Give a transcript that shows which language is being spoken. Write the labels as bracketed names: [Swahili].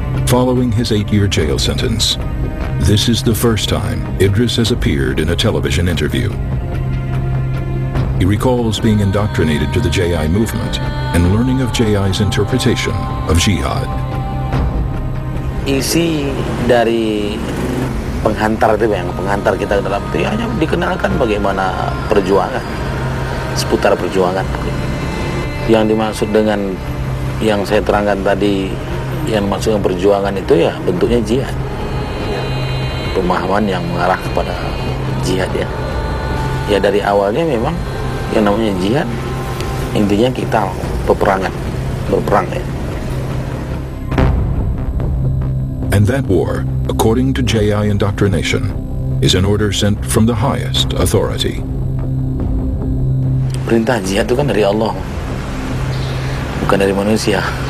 [English] Following his 8-year jail sentence, this is the first time Idris has appeared in a television interview. He recalls being indoctrinated to the JI movement and learning of JI's interpretation of jihad. [Indonesian] Isi dari penghantar itu, yang penghantar kita dalam itu, hanya dikenalkan bagaimana perjuangan, seputar perjuangan. Yang dimaksud dengan yang saya terangkan tadi, yang maksudnya perjuangan itu ya bentuknya jihad. Pemahaman yang mengarah kepada jihad ya. Ya dari awalnya memang yang namanya jihad, intinya kita peperangan, berperang ya. [English] And that war, according to J.I. indoctrination, is an order sent from the highest authority. [Indonesian] Perintah jihad itu kan dari Allah, bukan dari manusia.